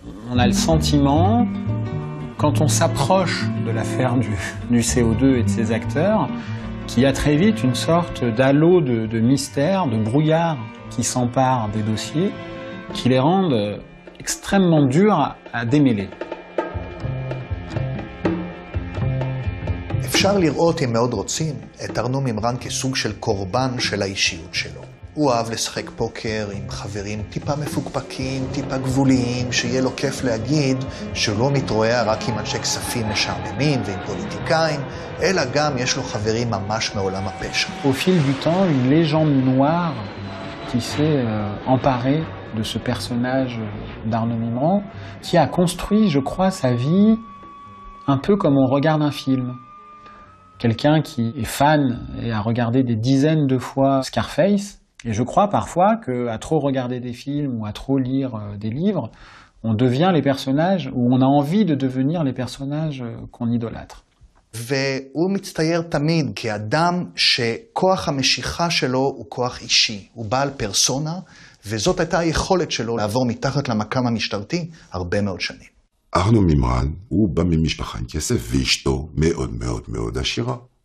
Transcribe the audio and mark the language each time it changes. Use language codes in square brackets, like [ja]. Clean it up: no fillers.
[fr] On a le sentiment, quand on s'approche de l'affaire du CO2 et de ses acteurs, qu'il y a très vite une sorte d'halo de mystère, de brouillard qui s'empare des dossiers, qui les rendent extrêmement durs à démêler. [he] אפשר לראות אם מאוד רוצים את ארנו מימרן כסוג של קורבן של האישיות שלו. הוא אהב לשחק פוקר עם חברים טיפה מפוקפקים, טיפה גבוליים, שיהיה לו כיף להגיד שלא מתרועע רק עם אנשי כספים משעממים ועם פוליטיקאים, אלא גם יש לו חברים ממש מעולם הפשע. [fr] Au fil du temps, une légende noire qui s'est emparée de ce personnage d'Arno Mimran, qui a construit, je crois, sa vie un peu comme on regarde un film. Quelqu'un qui est fan et a regardé des dizaines de fois Scarface. Et je crois parfois qu'à trop regarder des films ou à trop lire des livres, on devient les personnages ou on a envie de devenir les personnages qu'on idolâtre. [he] והוא מצטייר תמיד כאדם שכוח המשיכה שלו הוא כוח אישי, הוא בעל פרסונה, וזאת הייתה היכולת שלו לעבור מתחת למקם המשטרתי הרבה מאוד שנים. ארנו מימרן הוא בא ממשפחה עם כסף ואשתו מאוד מאוד מאוד עשירה.